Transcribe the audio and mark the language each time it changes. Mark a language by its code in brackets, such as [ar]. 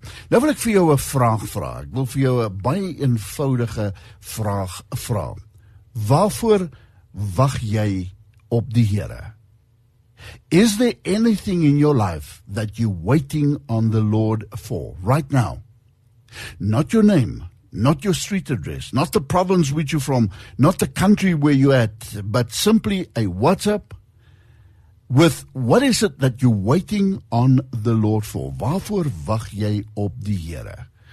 [af] Nou wil ek vir jou 'n vraag vra. Ek wil vir jou 'n baie eenvoudige vraag vra. Waarvoor wag jy op die Here? [en] Is there anything in your life that you're waiting on the Lord for right now? Not your name, not your street address, not the province which you're from, not the country where you're at, but simply a WhatsApp with what is it that you're waiting on the Lord for? [af] Waarvoor wag jy op die Here?